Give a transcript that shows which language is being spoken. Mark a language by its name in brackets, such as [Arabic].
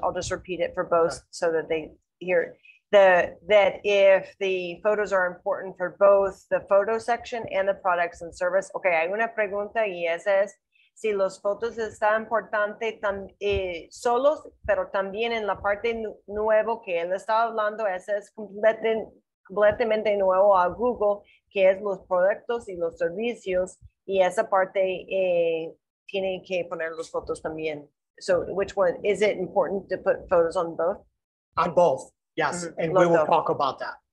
[English] I'll just repeat it for both so that they hear that if the photos are important for both the photo section and the products and service. [Spanish] Okay, hay una pregunta y esa es si los fotos están importantes solos, pero también en la parte nuevo que él está hablando, esa es completamente nuevo a Google, que es los productos y los servicios, y esa parte tienen que poner los fotos también. [English] So, which one is it important to put photos on both? On both, yes, and we will talk about that.